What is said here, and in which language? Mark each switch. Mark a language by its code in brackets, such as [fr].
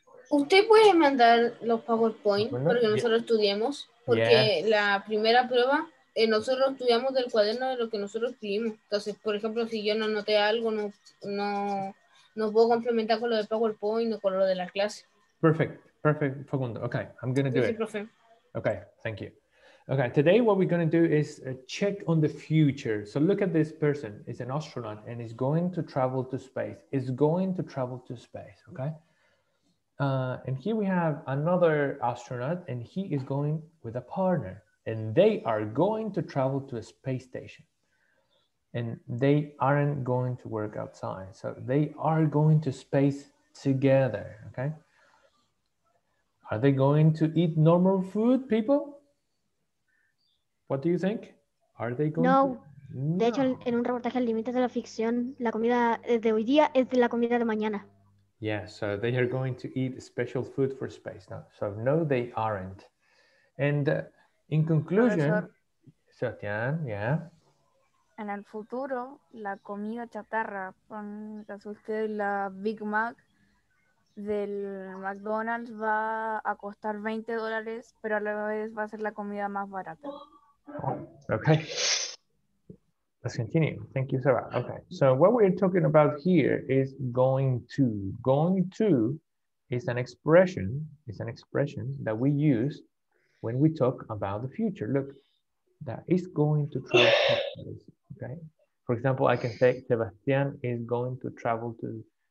[es] ¿Usted puede mandar los PowerPoint para que nosotros estudiemos? Porque la primera prueba, nosotros estudiamos del cuaderno de lo que nosotros escribimos. Entonces, por ejemplo, si yo no anoté algo, no puedo complementar con lo de PowerPoint o con lo de la clase. [en] Perfect, Facundo. Okay, I'm going to do it. [es] Sí, profe. [en] Okay, thank you. Okay, today what we're going to do is a check on the future. So look at this person. It's an astronaut and is going to travel to space. It's going to travel to space, okay? And here we have another astronaut, and he is going with a partner, and they are going to travel to a space station, and they aren't going to work outside. So they are going to space together. Okay. Are they going to eat normal food, people? What do you think? Are they going? No. [es] De hecho, en un reportaje al límite de la ficción, la comida de hoy día es la comida de mañana. [en] Yeah, so they are going to eat special food for space. No, so no, they aren't. And in conclusion, profesor, Sebastián, yeah. [es] En el futuro, la comida chatarra, con usted la Big Mac del McDonald's va a costar $20, pero a la vez va a ser la comida más barata. [en] Okay. Let's continue. Thank you, Sarah. Okay, so what we're talking about here is going to. Going to is an expression. It's an expression that we use when we talk about the future. Look, that is going to travel. Okay. For example, I can say Sebastian is going to travel to